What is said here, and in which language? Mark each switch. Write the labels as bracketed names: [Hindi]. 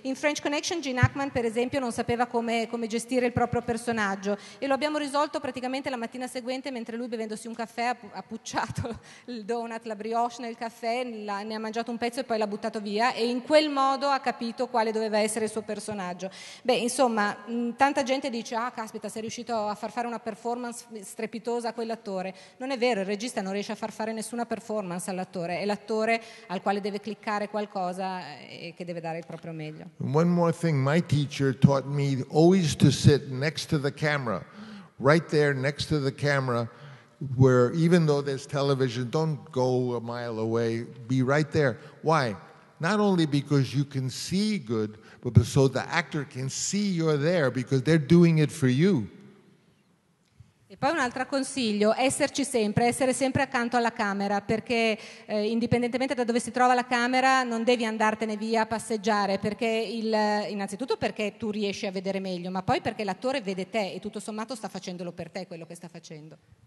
[Italian] In French Connection Gene Hackman, per esempio, non sapeva come gestire il proprio personaggio, e lo abbiamo risolto praticamente la mattina seguente, mentre lui, bevendosi un caffè, ha pucciato il donut, la brioche nel caffè, ha mangiato un pezzo e poi l'ha buttato via, e in quel modo ha capito quale doveva essere il suo personaggio. Beh, insomma, tanta gente dice: "Ah, caspita, sei riuscito a far fare una performance strepitosa a quell'attore." Non è vero, il regista non riesce a far fare nessuna performance all'attore, è l'attore al quale deve cliccare qualcosa e che deve dare il proprio meglio. [English] One more thing, my teacher taught me always to sit next to the camera, right there next to the camera, where even though there's television, don't go a mile away, be right there. Why? Not only because you can see good, but so the actor can see you're there, because they're doing it for you. [Italian] E poi un altro consiglio: esserci sempre, essere sempre accanto alla camera, perché indipendentemente da dove si trova la camera, non devi andartene via a passeggiare, perché innanzitutto perché tu riesci a vedere meglio, ma poi perché l'attore vede te e tutto sommato sta facendolo per te quello che sta facendo.